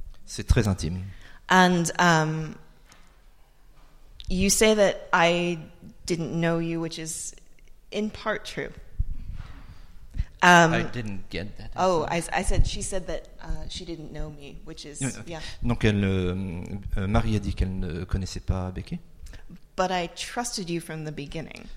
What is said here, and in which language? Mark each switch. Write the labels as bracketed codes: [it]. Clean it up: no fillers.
[fr] C'est très intime. [en] And you say that I didn't know you, which is in part true. I didn't get that. She said that she didn't know me, which is [fr] Donc elle Marie a dit qu'elle ne connaissait pas Becky. [en] But I trusted you from the beginning.